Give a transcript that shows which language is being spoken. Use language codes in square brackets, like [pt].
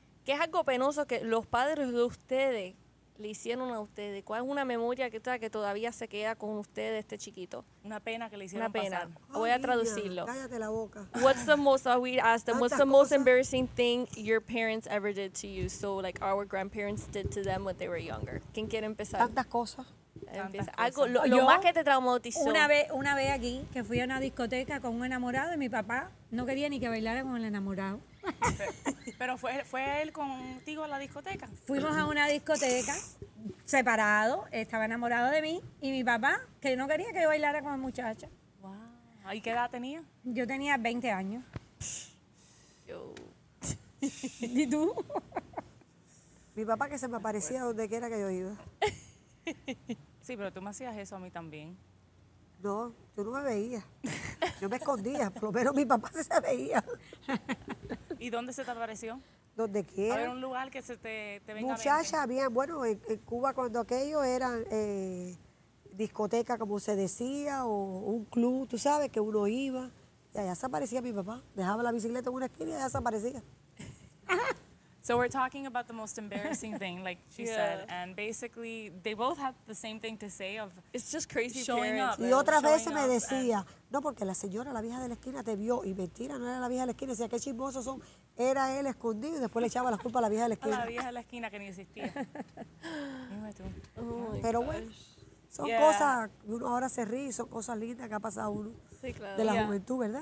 [es] ¿Qué es algo penoso que los padres de ustedes le hicieron a ustedes? ¿Cuál es una memoria que todavía se queda con ustedes, este chiquito? Una pena que le hicieron pasar. Una pena. Voy a traducirlo. Cállate la boca. [en] What's the most, we asked them, what's the most embarrassing thing your parents ever did to you? So, like, our grandparents did to them when they were younger. [es] ¿Quién quiere empezar? Tantas cosas. Algo, lo más que te traumatizó. Una vez aquí, que fui a una discoteca con un enamorado y mi papá no quería ni que bailara con el enamorado. Pero fue él contigo a la discoteca. Fuimos a una discoteca separado, estaba enamorado de mí y mi papá, que no quería que yo bailara con la muchacha. Wow. ¿Y qué edad tenía? Yo tenía 20 años. Yo. ¿Y tú? Mi papá que se me aparecía donde quiera que yo iba. Sí, pero tú me hacías eso a mí también. No, yo no me veía. Yo me escondía, por lo menos mi papá se veía. ¿Y dónde se te apareció? ¿Dónde quiera? ¿Había un lugar que se te venga? Muchacha, había, bueno, en Cuba cuando aquello era discoteca, como se decía, o un club, tú sabes, que uno iba, y allá se aparecía mi papá. Dejaba la bicicleta en una esquina y allá se aparecía. [en] So we're talking about the most embarrassing thing, like she said, and basically they both have the same thing to say of it's just crazy showing parents. Up. [es] Y otras veces me decía, no, porque la señora, la vieja de la esquina te vio, y mentira, no era la vieja de la esquina, decía, qué chismosos son, era él escondido, y después le echaba la culpa a la vieja de la esquina. A la vieja de la esquina que ni existía. Dime tú. Oh, pero bueno, son cosas, uno ahora se ríe, son cosas lindas que ha pasado uno de la juventud, ¿verdad?